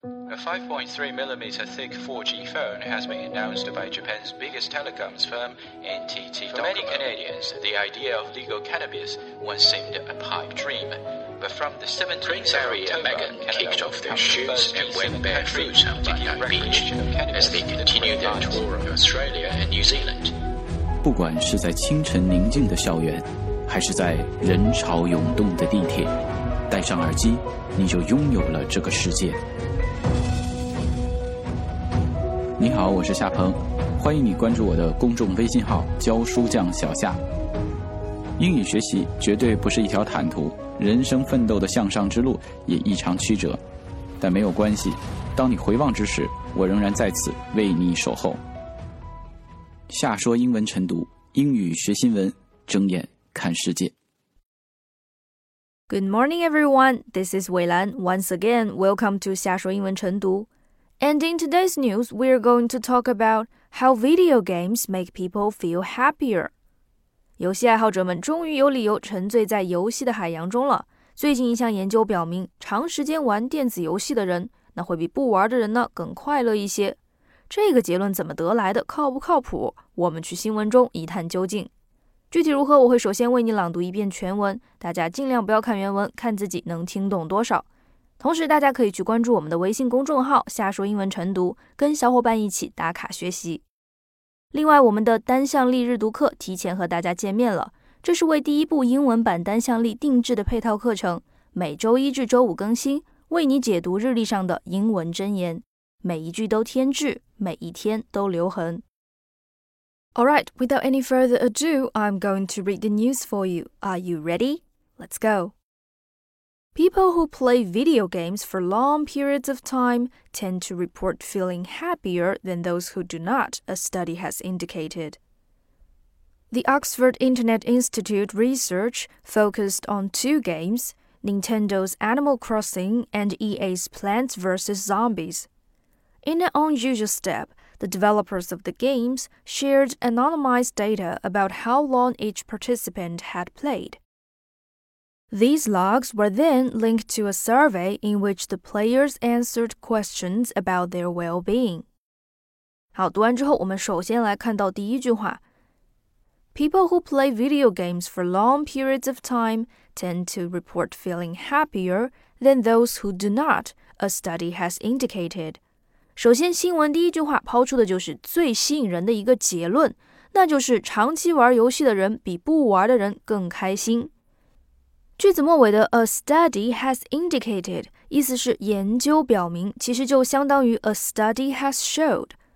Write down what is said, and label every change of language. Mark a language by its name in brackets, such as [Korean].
[English] A 5.3mm thick 4G phone has been announced by Japan's biggest telecoms firm, NTT Docomo. For many Canadians, the idea of legal cannabis once seemed a pipe dream. But from the 17th Prince of October, Meghan kicked off their shoes and went barefoot on Bondi Beach as they continued their tour of Australia and New Zealand. [Chinese] 不管是在清晨宁静的校园，还是在人潮涌动的地铁，戴上耳机，你就拥有了这个世界。你好，我是夏鹏，欢迎你关注我的公众微信号“教书匠小夏”。英语学习绝对不是一条坦途，人生奋斗的向上之路也异常曲折，但没有关系，当你回望之时，我仍然在此为你守候。夏说英文晨读，英语学新闻，睁眼看世界。 [English] Good morning, everyone. This is Wei Lan. Once again, welcome to 夏说英文晨读。 And in today's news, we are going to talk about how video games make people feel happier. [Chinese] 游戏爱好者们终于有理由沉醉在游戏的海洋中了。最近一项研究表明，长时间玩电子游戏的人，那会比不玩的人呢更快乐一些。这个结论怎么得来的，靠不靠谱，我们去新闻中一探究竟。具体如何，我会首先为你朗读一遍全文，大家尽量不要看原文，看自己能听懂多少。同时大家可以去关注我们的微信公众号夏说英文晨读，跟小伙伴一起打卡学习。另外，我们的单向力日读课提前和大家见面了，这是为第一部英文版单向力定制的配套课程，每周一至周五更新，为你解读日历上的英文箴言，每一句都添置，每一天都留痕。 [English] Alright, without any further ado, I'm going to read the news for you. Are you ready? Let's go. People who play video games for long periods of time tend to report feeling happier than those who do not, a study has indicated. The Oxford Internet Institute research focused on two games, Nintendo's Animal Crossing and EA's Plants vs. Zombies. In an unusual step, the developers of the games shared anonymized data about how long each participant had played. These logs were then linked to a survey in which the players answered questions about their well-being. [Chinese] 好，读完之后，我们首先来看到第一句话。 [English] People who play video games for long periods of time tend to report feeling happier than those who do not, a study has indicated. [Chinese] 首先，新闻第一句话抛出的就是最吸引人的一个结论，那就是长期玩游戏的人比不玩的人更开心。句子末尾的 [English] a study has indicated [Chinese] 意思是研究表明，其实就相当于 [English] a study has showed。